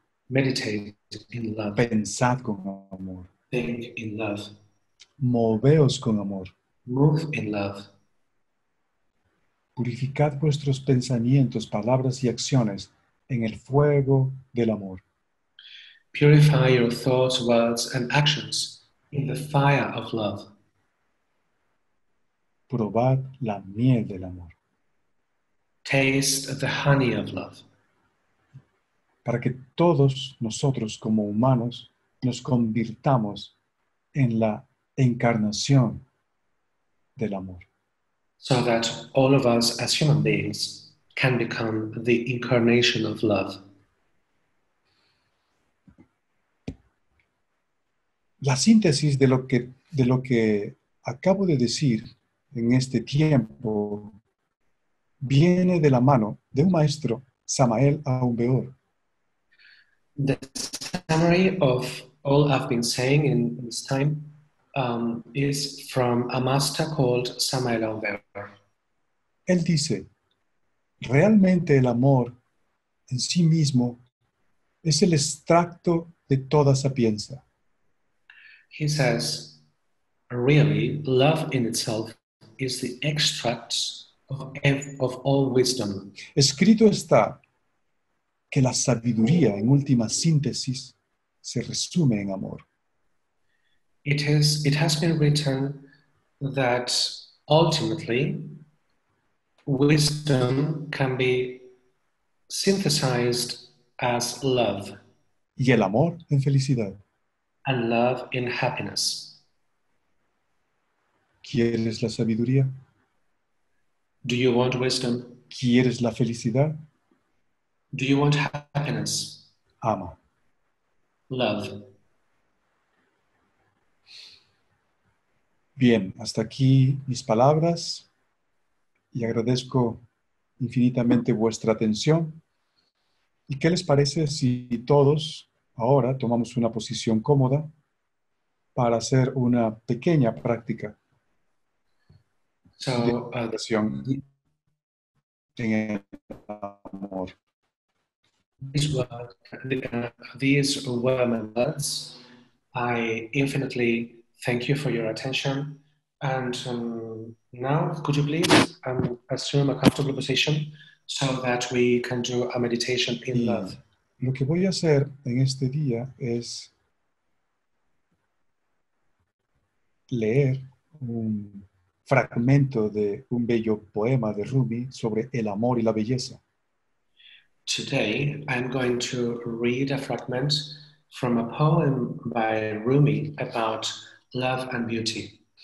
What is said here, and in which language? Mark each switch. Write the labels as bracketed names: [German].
[English] Meditate in love. [Spanish] Pensad con amor. [English] Think in love. [Spanish] Moveos con amor. [English] Move in love. [Spanish] Purificad vuestros pensamientos, palabras y acciones en el fuego del amor. [English] Purify your thoughts, words, and actions in the fire of love. [Spanish] Probad la miel del amor. [English] Taste the honey of love. [Spanish] Para que todos nosotros como humanos nos convirtamos en la encarnación del amor. [English] So that all of us as human beings can become the incarnation of love. [Spanish] La síntesis de lo que acabo de decir en este tiempo viene de la mano de un maestro, Samael Aun Beor. [English] The summary of all I've been saying in this time is from a master called Samael Aun Beor. [Spanish] Él dice, realmente el amor en sí mismo es el extracto de toda sapienza. [English] He says, really, love in itself is the extract of all wisdom. [Spanish] Escrito está que la sabiduría, en última síntesis, se resume en amor. [English] It has been written that ultimately wisdom can be synthesized as love. [Spanish] Y el amor en felicidad. [English] And love in happiness. [Spanish] ¿Quieres la sabiduría? [English] Do you want wisdom? [Spanish] ¿Quieres la felicidad? [English] Do you want happiness? [Spanish] Ama. [English] Love. [Spanish] Bien, hasta aquí mis palabras y agradezco infinitamente vuestra atención. ¿Y qué les parece si todos ahora tomamos una posición cómoda para hacer una pequeña práctica de meditación en el amor? [English] These were my words. I infinitely thank you for your attention. And now, could you please assume a comfortable position so that we can do a meditation in [Spanish] Y [English] love? [Spanish] lo que voy a hacer en este día es leer un fragmento de un bello poema de Rumi sobre el amor y la belleza. [English] Today, I'm going to read a fragment from a poem by Rumi about love and beauty.